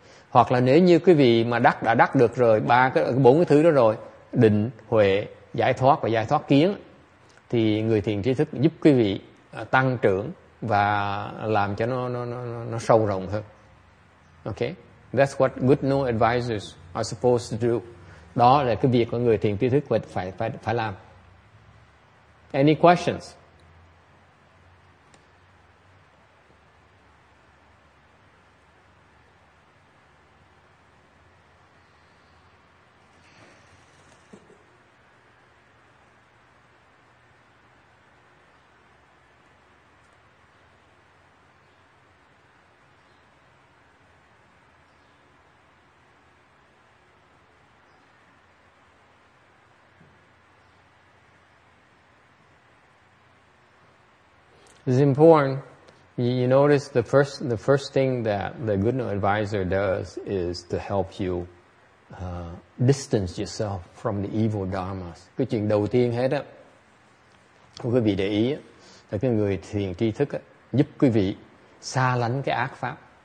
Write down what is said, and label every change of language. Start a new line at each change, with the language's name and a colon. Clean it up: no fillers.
Vietnamese: Hoặc là nếu như quý vị mà đắc được rồi ba cái bốn cái thứ đó rồi, định, huệ, giải thoát và giải thoát kiến, thì người thiền trí thức giúp quý vị tăng trưởng và làm cho nó sâu rộng hơn.
English: Okay, that's what good no advisors are supposed to do.
Vietnamese: Đó là cái việc của người thiền trí thức phải làm.
English: Any questions? It's important. You notice the first thing that the good advisor does is to help you distance yourself from the evil dharmas.
Vietnamese: Cái chuyện đầu tiên hết á, quý vị để ý á, là cái người thiền tri thức á, giúp quý vị xa lánh cái ác pháp.